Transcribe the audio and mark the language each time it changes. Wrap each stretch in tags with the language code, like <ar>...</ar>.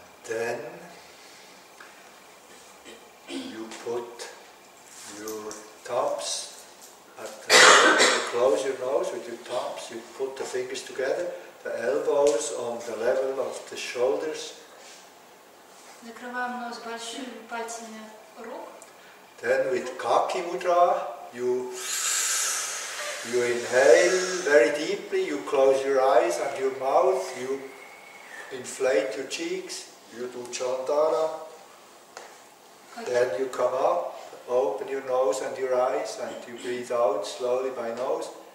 <en>Then you put your thumbs at the you close your nose with your thumbs, you put the fingers together, the elbows on the level of the shoulders.</en> <ru>Закрываем нос большими пальцами рук.</ru> <en>Then with Kaki Mudra you inhale very deeply, you close your eyes and your mouth, you inflate your cheeks. You do Chantara, then you come up, open your nose and your eyes, and you breathe out slowly by nose.</en>